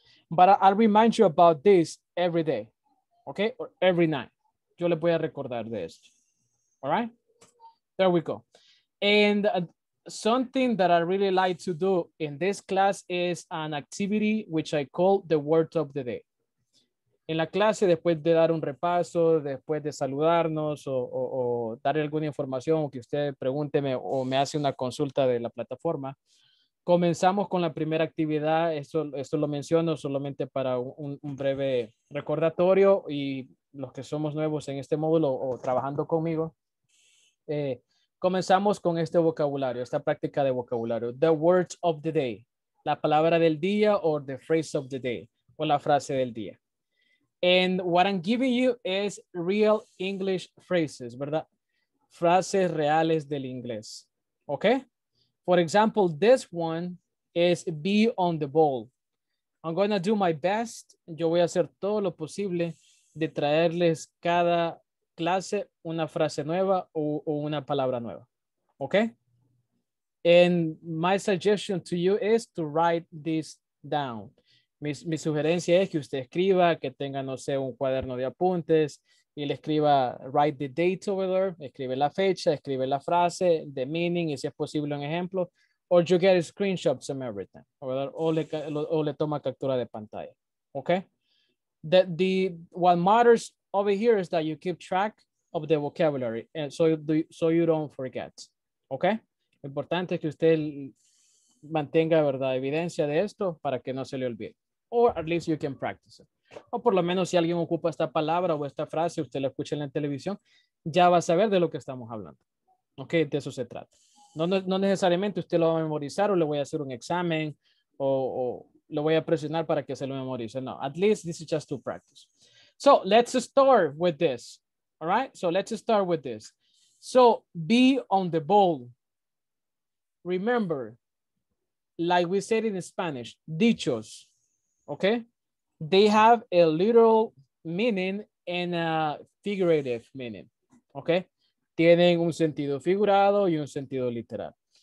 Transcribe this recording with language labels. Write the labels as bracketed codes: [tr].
[en] But I'll remind you about this every day, okay? Or every night. [es] Yo le voy a recordar de esto, [en] all right? There we go. And something that I really like to do in this class is an activity which I call the word of the day. [es] En la clase, después de dar un repaso, después de saludarnos o darle alguna información o que usted pregúnteme o me hace una consulta de la plataforma, comenzamos con la primera actividad. Esto lo menciono solamente para un breve recordatorio y los que somos nuevos en este módulo o trabajando conmigo, comenzamos con este vocabulario, esta práctica de vocabulario. [en] The words of the day, [es] la palabra del día o [en] the phrase of the day [es] o la frase del día. [en] And what I'm giving you is real English phrases, ¿verdad? [es] Frases reales del inglés, okay? [en] For example, this one is be on the ball. I'm going to do my best. [es] Yo voy a hacer todo lo posible de traerles cada clase una frase nueva o una palabra nueva, okay? [en] And my suggestion to you is to write this down. [es] Mi sugerencia es que usted escriba, que tenga, no sé, un cuaderno de apuntes y le escriba, [en] write the date over there, [es] escribe la fecha, escribe la frase, [en] the meaning, [es] y si es posible un ejemplo, [en] or you get screenshots of everything, over there, [es] o le toma captura de pantalla, okay? [en] The what matters over here is that you keep track of the vocabulary, and so you don't forget, okay? [es] Lo importante es que usted mantenga, verdad, evidencia de esto para que no se le olvide. [en] Or at least you can practice it. [es] O por lo menos si alguien ocupa esta palabra o esta frase, usted la escucha en la televisión, ya va a saber de lo que estamos hablando. Ok, de eso se trata. No necesariamente usted lo va a memorizar o le voy a hacer un examen o lo voy a presionar para que se lo memorice. [en] No, at least this is just to practice. So let's start with this. All right, so let's start with this. So be on the ball. Remember, like we said in Spanish, dichos. Okay, they have a literal meaning and a figurative meaning. [es] Okay, tienen un sentido figurado y un sentido literal.